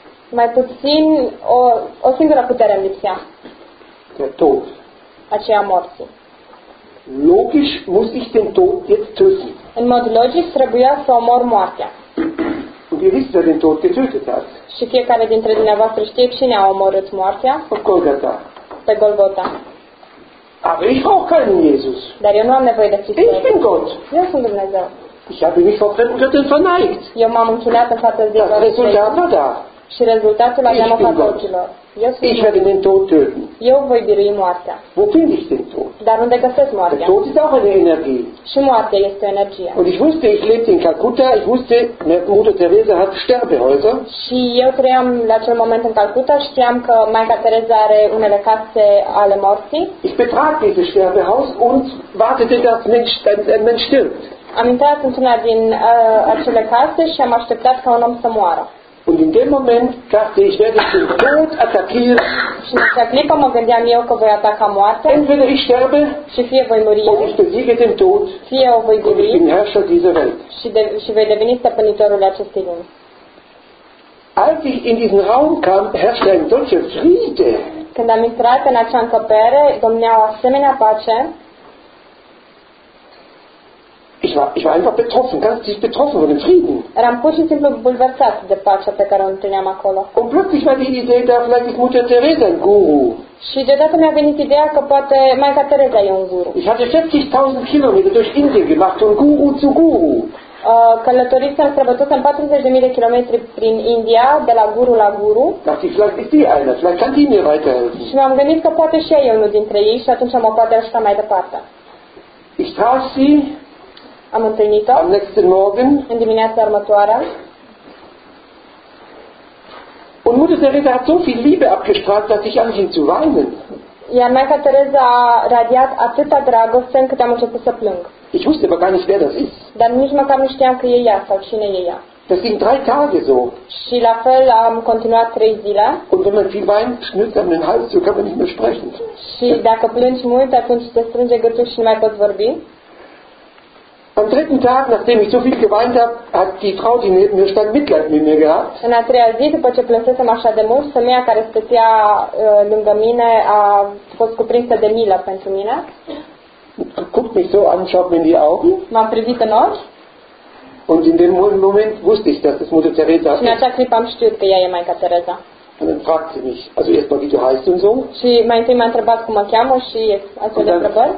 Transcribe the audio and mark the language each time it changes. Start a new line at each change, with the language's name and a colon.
Romanian: Mai puțin o singură putere îmi lipsea.
German: Der Tod.
Romanian: Aceea morții.
German: Logisch muss ich den Tod jetzt töten.
Romanian: În mod logic trebuia să omor moartea.
German: Und ihr wisst, wer den Tod getötet hat.
Romanian: Și fiecare dintre dumneavoastră știe cine a omorât moartea? Pe Golgota. Pe Golgota.
German: Aber ich brauche keinen Jesus.
Romanian: Dar eu nu am nevoie de Hristos.
German: Ich bin Gott.
Romanian: Eu sunt Dumnezeu.
German: Ich habe mich vor fremden Göttern verneigt.
Romanian: Eu m-am închinat în fața zeilor.
German: Das Resultat war da.
Romanian: și rezultatul aveam o fapturilor.
German: Ich werde den Tod töten.
Romanian: Eu voi birui moartea.
German: Wo finde ich den Tod?
Romanian: Dar unde găsesc moartea?
German: Der Tod ist auch eine Energie.
Romanian: Și moartea este o energie.
German: Und ich wusste, ich lebte in Calcutta, ich wusste, Mutter Teresa hat Sterbehäuser.
Romanian: Și eu trăiam la acel moment în Calcutta, știam că Maica Teresa are unele case ale morții.
German: Ich betrat dieses Sterbehaus und wartete, dass ein Mensch stirbt.
Romanian: Am intrat într-una din acele case și am așteptat ca un om să moară.
German: Und in dem Moment dachte ich, werde ich den Tod attackieren.
Romanian: Și în acea clipă mă gândeam eu că voi ataca moartea.
German: Entweder ich sterbe,
Romanian: și fie voi muri,
German: oder ich besiege den Tod,
Romanian: fie eu voi biri,
German: und ich bin Herrscher dieser Welt.
Romanian: Și voi deveni stăpânitorul acestei lumi.
German: Als ich in diesen Raum kam, herrschte ein solcher Friede.
Romanian: Când am intrat în acea încăpere, domnea o asemenea pace.
German: Ich war einfach betroffen, ganz tief betroffen von dem Frieden.
Romanian: Eram pur și simplu bulversat de pacea pe care o întâlneam acolo.
German: Und plötzlich war die Idee da, vielleicht ist Mutter Teresa ein Guru.
Romanian: Și deodată mi-a venit ideea că poate Maica Teresa e un guru.
German: Ich hatte 70.000 Kilometer durch Indien gemacht, von Guru zu Guru.
Romanian: Călătorisem, străbătusem 40.000 de kilometri prin India, de la guru la guru.
German: Dachte ich, vielleicht ist die einer, vielleicht kann die mir weiterhelfen.
Romanian: Și m-am gândit că poate și ea e unul dintre ei și atunci mă poate ajuta mai departe.
German: Ich traf sie.
Romanian: Am întâlnit-o.
German: Am nächsten Morgen.
Romanian: În dimineața următoare.
German: Und Mutter Teresa hat so viel Liebe abgestrahlt, dass ich anfing zu weinen.
Romanian: Iar Maica Teresa a radiat atâta dragoste încât am început să plâng.
German: Ich wusste aber gar nicht, wer das ist.
Romanian: Dar nici măcar nu știam că e ea sau cine e ea.
German: Das ging drei Tage so.
Romanian: Și la fel am continuat trei zile.
German: Und wenn man viel weint, schnürt einem den Hals, so kann man nicht mehr sprechen.
Romanian: Și dacă plângi mult, atunci te strânge gâtul și nu mai poți vorbi.
German: Am dritten Tag, nachdem ich so viel geweint habe, hat die Frau, die neben mir stand, Mitleid mit mir gehabt.
Romanian: În a treia zi, după ce plânsesem așa de mult, femeia care stătea lângă mine a fost cuprinsă de milă pentru mine.
German: Guckt mich so an, schaut mir in die Augen.
Romanian: M-am privit în ochi.
German: Und in dem Moment wusste ich, dass es Mutter Teresa ist.
Romanian: Și în acea clipă am știut că ea e Maica Teresa.
German: Und dann fragt sie mich, also erstmal, wie du heißt und so.
Romanian: Și mai întâi m-a întrebat cum mă cheamă și astfel de întrebări.